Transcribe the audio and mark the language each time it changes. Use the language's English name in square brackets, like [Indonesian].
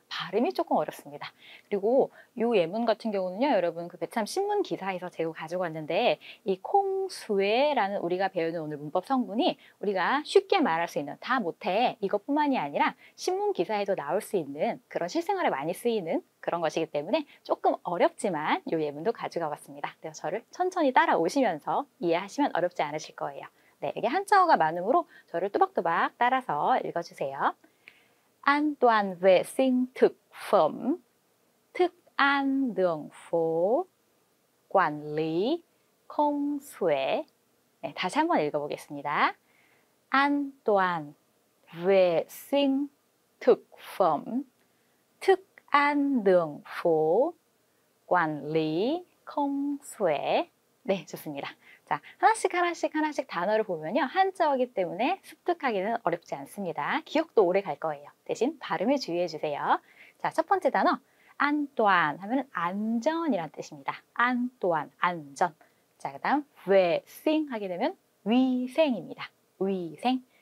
[Korean] 발음이 조금 어렵습니다. 그리고 이 예문 같은 경우는요, 여러분 그 베트남 신문 기사에서 제가 가져왔는데 이 콩수에라는 우리가 배우는 오늘 문법 성분이 우리가 쉽게 말할 수 있는 다 못해 이것뿐만이 아니라 신문 기사에도 나올 수 있는 그런 실생활에 많이 쓰이는 그런 것이기 때문에 조금 어렵지만 이 예문도 가져가 봤습니다. 그래서 저를 천천히 따라오시면서 이해하시면 어렵지 않으실 거예요. 네, 이게 한자어가 많으므로 저를 또박또박 따라서 읽어주세요. [Vietnamese] 안 toàn vệ sinh thực phẩm, thức ăn đường phố, quản lý không xuể. [Korean] 네, 다시 한번 읽어보겠습니다. [Vietnamese] 안 toàn vệ sinh thực phẩm, thức ăn đường phố, quản lý không xuể. [Korean] 네, 좋습니다. 자, 하나씩 단어를 보면요. 한자어이기 때문에 습득하기는 어렵지 않습니다. 기억도 오래 갈 거예요. 대신 발음에 주의해 주세요. 자, 첫 번째 단어, 안또안 하면 안전이란 뜻입니다. 안또안, 안전. 자, 그 다음, 위생 하게 되면 위생입니다. 위생.